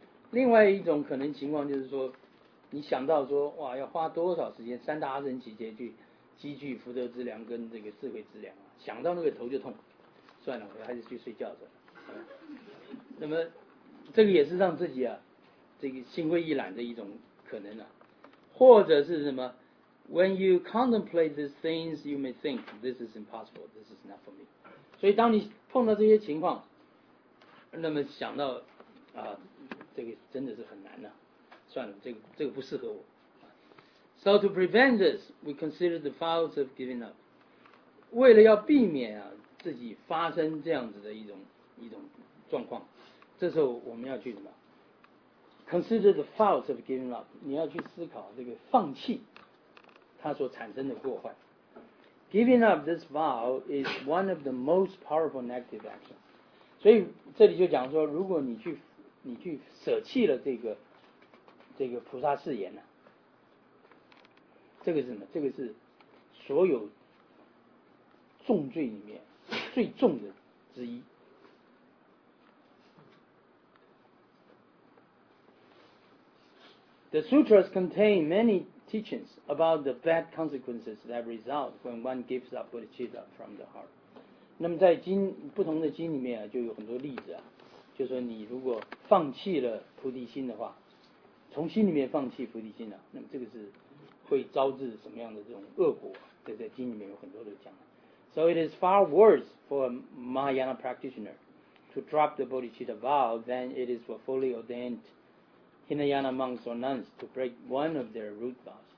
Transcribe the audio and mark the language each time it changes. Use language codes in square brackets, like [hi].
[zh] 另外一种可能情况就是说，你想到说，哇，要花多少时间三大阿僧祇劫去积聚福德资粮跟这个智慧资粮，想到那个头就痛，算了，我还是去睡觉算了。那么这个也是让自己啊这个心灰意懒的一种可能啊，或者是什么？ [en] When you contemplate these things, you may think this is impossible. This is not for me. [zh] 所以当你碰到这些情况，那么想到啊，这个真的是很难呐、啊。算了，这个不适合我。 [en] So to prevent this, we consider the vows of giving up. [zh] 为了要避免啊自己发生这样子的一种状况，这时候我们要去什么 ？ [en] Consider the vows of giving up. [zh] 你要去思考这个放弃。他所产生的过患。 [en] Giving up this vow is one of the most powerful negative actions。 [zh] 所以这里就讲说，如果你去舍弃了这个菩萨誓言、啊、这个是什么？这个是所有重罪里面最重的之一。 [en] The sutras contain manyteachings about the bad consequences that result when one gives up bodhicitta from the heart. [zh] 那么在经不同的经里面、啊、就有很多例子、啊、就是说你如果放弃了菩提心的话，从心里面放弃菩提心、啊、那么这个是会招致什么样的这种恶果，这在经里面有很多都讲。 [en] So it is far worse for a Mahayana practitioner to drop the bodhicitta vow than it is for fully ordained Hinayana monks or nuns to break one of their root vows.